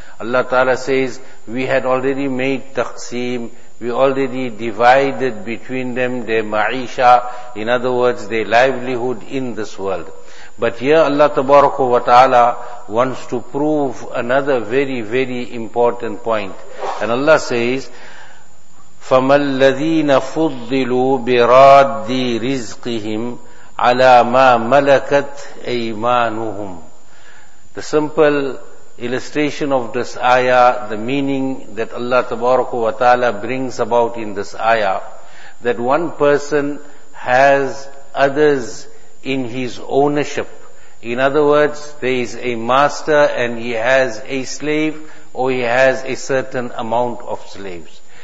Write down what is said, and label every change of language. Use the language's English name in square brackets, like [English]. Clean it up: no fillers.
[English] Allah Ta'ala says, we had already made taqseem. We already divided between them their ma'isha. In other words, their livelihood in this world. But here Allah Tabaraka wa Ta'ala wants to prove another very, very important point. And Allah says, [Arabic] فَمَا الَّذِينَ فُضِّلُوا بِرَادِّي رِزْقِهِمْ عَلَى مَا مَلَكَتْ أَيْمَانُهُمْ. [English] The simple illustration of this ayah, the meaning that Allah Tabaraka wa Ta'ala brings about in this ayah, that one person has others in his ownership. In other words, there is a master and he has a slave, or he has a certain amount of slaves.